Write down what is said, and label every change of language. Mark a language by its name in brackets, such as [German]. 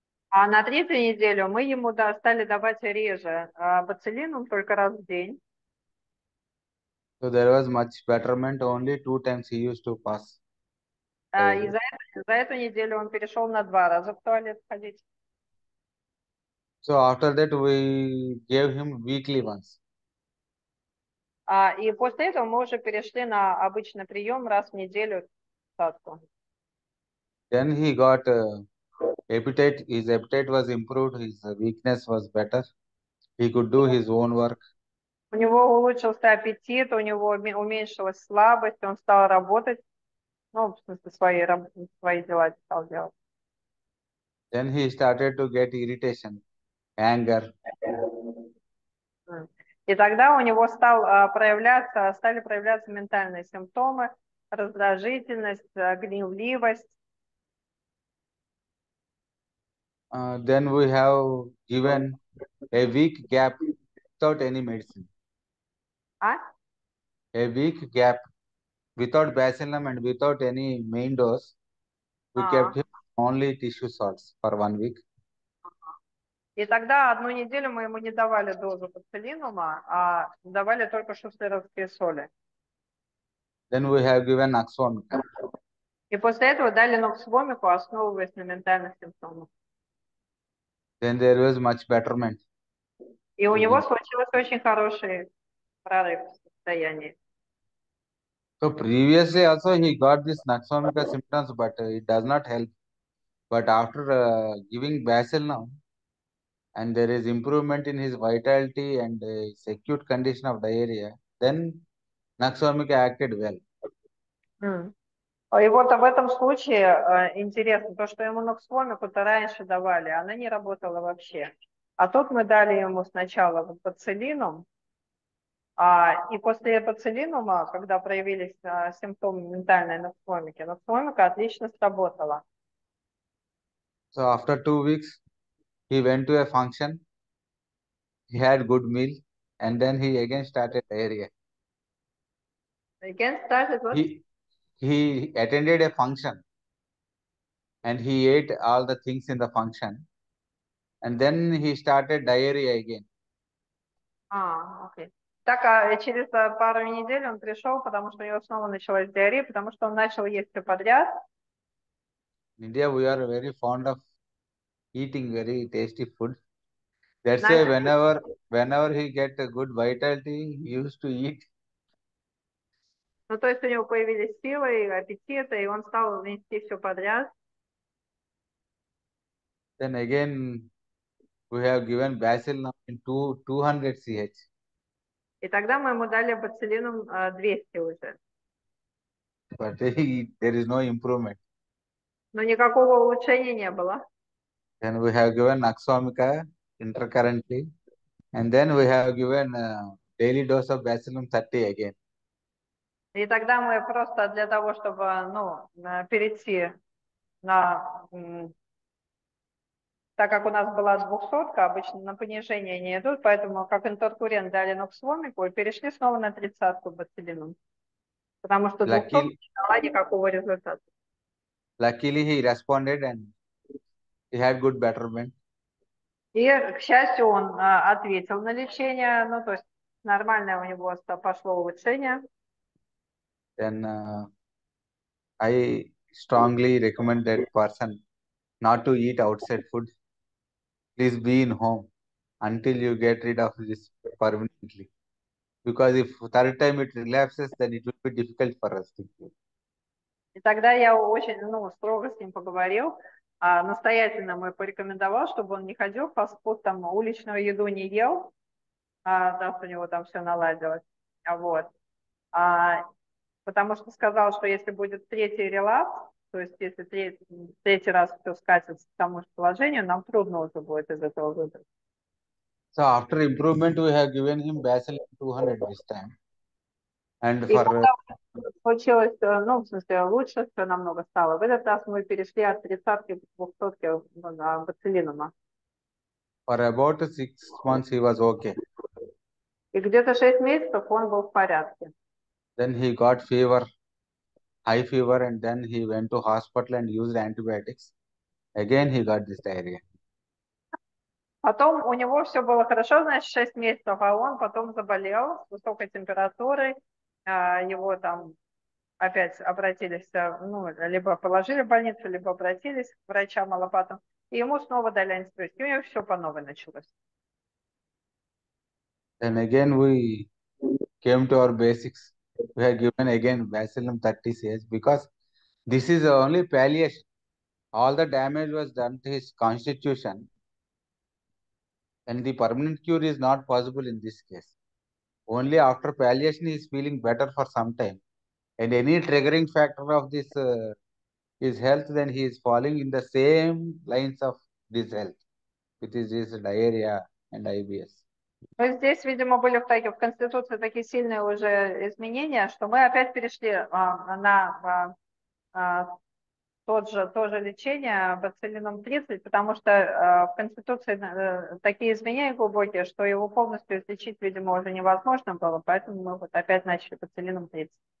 [Russian] А на третью неделю мы ему стали давать реже бациллином, только раз в день. [English] So there was much betterment. Only 2 times he used to pass [Russian] А, и [English] every day. [Russian] за эту неделю он перешел на 2 раза в туалет ходить. [English] So after that we gave him weekly once. [Russian] И после этого мы уже перешли на обычный прием раз в неделю. [English] Then he got appetite. His appetite was improved. His weakness was better. He could do his own work. [Russian] У него улучшился аппетит, у него уменьшилась слабость, он стал работать, ну, в смысле, свои дела стал делать. [English] Then he started to get irritation, anger. [Russian] И тогда у него стали проявляться ментальные симптомы, раздражительность, гневливость. [English] Then we have given a weak gap without any medicine. А? A weak gap without bacillum and without any main dose. We kept А. him only tissue salts for 1 week. [Russian] И тогда одну неделю мы ему не давали дозу пациллинума, а давали только шустеровские соли. [English] Then we have given oxone. [Russian] И после этого дали нуксвомику, основываясь на ментальных симптомах. [English] Then there was much betterment. [Russian] И у [English] So [Russian] него случился очень хороший прорыв в состоянии. [English] previously also he got this Naxomica symptoms, but it does not help. But after giving bacillum, and there is improvement in his vitality and his acute condition of diarrhea, then Naxomica acted well. [Russian] И вот в этом случае интересно, то, что ему нуксвомику-то раньше давали, она не работала вообще. А тут мы дали ему сначала вот бациллином, и после бациллинума, когда проявились симптомы ментальной нуксвомики, отлично сработала. [English] So after 2 weeks, he went to a function. He had good meal, and then he again started diarrhea. Again, started what? He attended a function, and he ate all the things in the function, and then he started diarrhea again. [Russian] А, окей. Так, а через пару недель он пришел, потому что у него снова началась диарея, потому что он начал есть все подряд. [English] In India, we are very fond of eating very tasty food. That's why [Russian] Начал. [English] whenever he get a good vitality, he used to eat. [Russian] Ну, то есть у него появились силы и аппетиты, и он стал нести все подряд. [English] Then again, we have given bacillus in 200 CH. [Russian] И тогда мы ему дали бациллином 200 уже. [English] But there is no improvement. [Russian] Но никакого улучшения не было. [English] Then we have given Naksvamika intercurrently, and then we have given daily dose of bacillum 30 again. [Russian] И тогда мы просто для того, чтобы, перейти на, так как у нас была 200-ка, обычно на понижение не идут, поэтому как интеркурент дали ноксвомику и перешли снова на 30-ку бациллином, потому что 200-ка [English] Luckily, [Russian] не дала никакого результата. [English] he responded and he had good betterment. [Russian] И, к счастью, он ответил на лечение, ну, то есть нормальное у него пошло улучшение. [English] Then I strongly recommend that person not to eat outside food. Please be in home until you get rid of this permanently. Because if third time it relapses, then it will be difficult for us to. [Russian] И тогда я очень, строго с ним поговорил, настоятельно ему порекомендовал, чтобы он не ходил в фастфуд, там уличную еду не ел, да, у него там все наладилось. Вот. Потому что сказал, что если будет третий релапс, то есть если третий раз все скатится к тому же положению, нам трудно уже будет из этого выбраться. [English] So after improvement, we have given him bacillin 200 this time. And [Russian] И [English] for [Russian] получилось, ну, в смысле, лучше все намного стало. В этот раз мы перешли от 30-ки к 200-ке, ну, на бациллинума. [English] about 6 months, he was okay. [Russian] И где-то 6 месяцев он был в порядке. [English] Then he got fever, high fever, and then he went to hospital and used antibiotics. Again, he got this diarrhea. [Russian] Потом у него все было хорошо, значит, 6 месяцев, а он потом заболел с высокой температурой. Его там опять обратились, ну, либо положили в больницу, либо обратились к врачам, аллопатам, и ему снова дали антибиотики, у него все по новой началось. [English] And again, we came to our basics. We have given again bacillum 30 cc because this is only palliation. All the damage was done to his constitution, and the permanent cure is not possible in this case. Only after palliation he is feeling better for some time, and any triggering factor of this his health, then he is falling in the same lines of dyshealth, which is his diarrhea and IBS. [Russian] Но здесь, видимо, были в Конституции такие сильные уже изменения, что мы опять перешли на то же лечение бациллином 30, потому что в Конституции такие изменения глубокие, что его полностью излечить, видимо, уже невозможно было, поэтому мы вот опять начали бациллином 30.